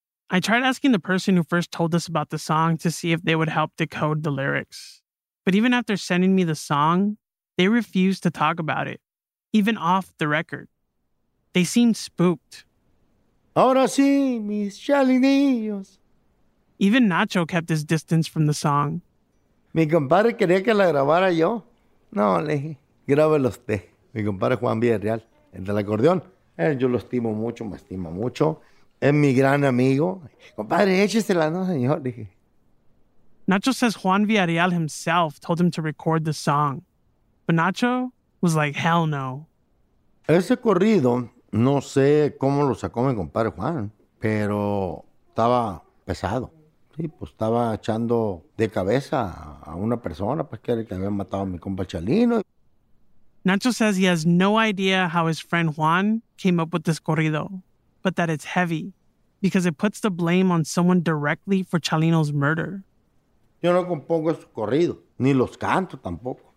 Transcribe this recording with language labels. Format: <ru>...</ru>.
<en>I tried asking the person who first told us about the song to see if they would help decode the lyrics. But even after sending me the song, they refused to talk about it, even off the record. They seemed spooked.</en> <es>Ahora sí, mis chalinillos.</es> <en>Even Nacho kept his distance from the song.</en> <es>Mi compadre quería que la grabara yo. No, le dije, grábelo usted. Mi compadre Juan Villarreal. el del acordeón. Yo lo estimo mucho, me estima mucho. Es mi gran amigo. Compadre, échesela, ¿no, señor? Dije.</es> <en>Nacho says Juan Villarreal himself told him to record the song. But Nacho was like, hell no.</en> <es>Ese corrido, no sé cómo lo sacó mi compadre Juan, pero estaba pesado. Sí, pues estaba echando de cabeza a una persona, pues que era el que había matado a mi compa Chalino.</es> <en>Nacho says he has no idea how his friend Juan came up with this corrido, but that it's heavy because it puts the blame on someone directly for Chalino's murder.</en> <es>Yo no compongo su corrido, ni los canto tampoco.</es>